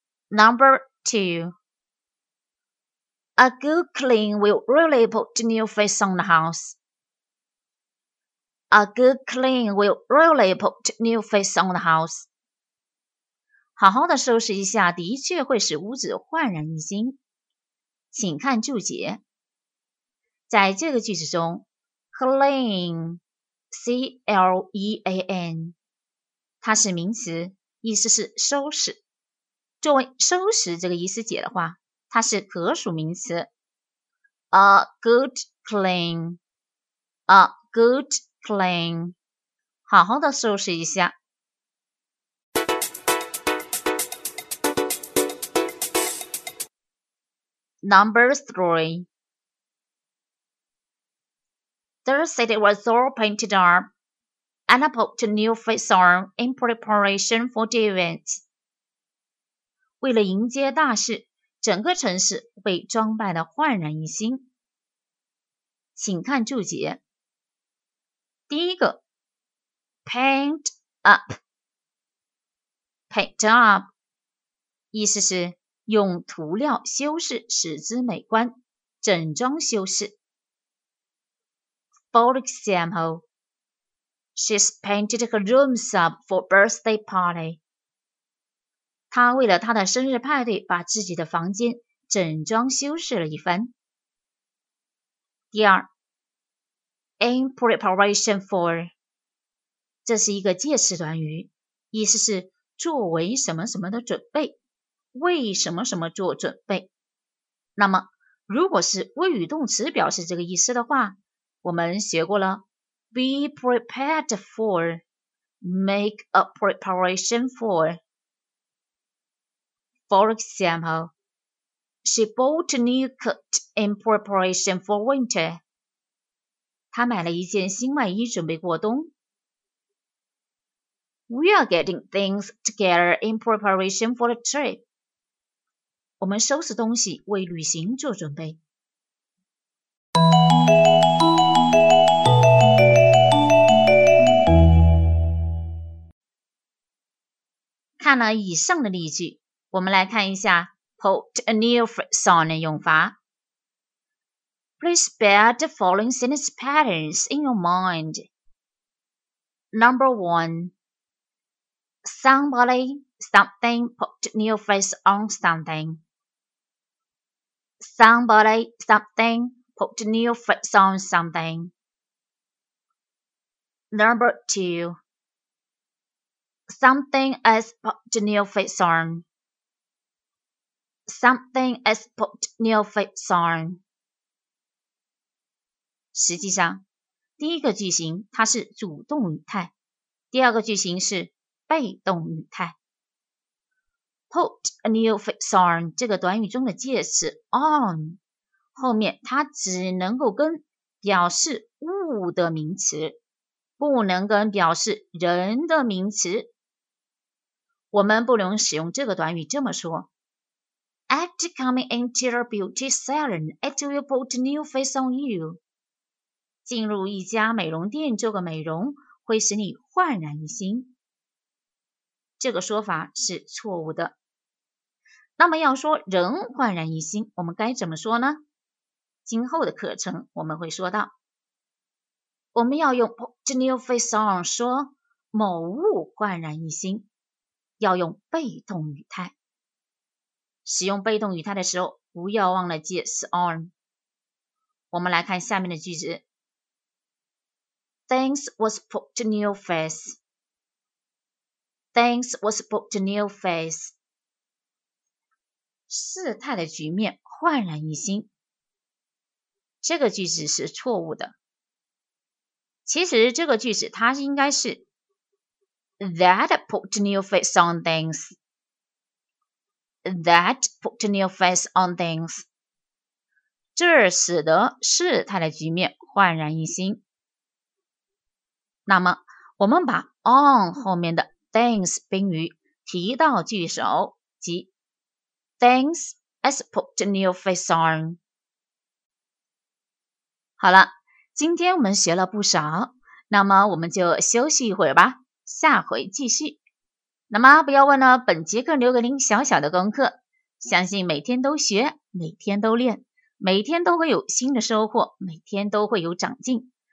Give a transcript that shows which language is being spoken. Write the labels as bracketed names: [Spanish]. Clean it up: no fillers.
[English] Number 2 A good clean will really put the new face on the house. A good clean will really put the new face on the house. [Chinese] 好好的收拾一下的确会使屋子焕然一新。请看注解。在这个句子中 clean, C-L-E-A-N, 它是名词，意思是收拾。作为收拾这个意思解的话，它是可数名词。 [English] A good clean, a good clean, [Chinese] 好好的收拾一下。 [English] Number 3The city was all painted up, and I put a new face on in preparation for the event. [Chinese] 为了迎接大事，整个城市被装扮得焕然一新。请看注解。第一个 , [English] paint up, paint up, [Chinese] 意思是用涂料修饰使之美观，整装修饰。 [English] For example, she's painted her rooms up for birthday party. [Chinese] 她为了她的生日派对把自己的房间整装修饰了一番。第二 , [English] in preparation for, [Chinese] 这是一个介词短语，意思是作为什么什么的准备，为什么什么做准备。那么如果是谓语动词表示这个意思的话，我们学过了 [English] be prepared for, make a preparation for. For example, she bought a new coat in preparation for winter. [Chinese] 她买了一件新外衣准备过冬。 [English] We are getting things together in preparation for the trip. [Chinese] 我们收拾东西为旅行做准备。看了以上的例句，我们来看一下 [English] put a new face on [Chinese] 的用法。 [English] Please bear the following sentence patterns in your mind. Number 1. Somebody, something, put a new face on something. Somebody, something, put a new face on something. Number 2. Something has put a new face on. Something has put a new face on. [Chinese] 实际上，第一个句型它是主动语态，第二个句型是被动语态。 [English] Put a new face on [Chinese] 这个短语中的介词 on 后面它只能够跟表示物的名词，不能跟表示人的名词。我们不能使用这个短语这么说。 After coming into the beauty salon, it will put a new face on you. 进入一家美容店做个美容会使你焕然一新。这个说法是错误的。那么要说人焕然一新，我们该怎么说呢？今后的课程我们会说到。我们要用 [English] put a new face on [Chinese] 说某物焕然一新。要用被动语态。使用被动语态的时候，不要忘了介词 on。我们来看下面的句子。 [English] Things was put a new face. Things was booked a new phase. [Chinese] 事态的局面焕然一新。这个句子是错误的。其实这个句子它应该是 [English] That put a new face on things. That put a new face on things. [Chinese] 这使得事态的局面焕然一新。那么我们把 on 后面的 things 宾语提到句首，即 [English] Things has put a new face on. [Chinese] 好了，今天我们学了不少，那么我们就休息一会儿吧，下回继续。那么不要忘了本节课留给您小小的功课，相信每天都学，每天都练，每天都会有新的收获，每天都会有长进。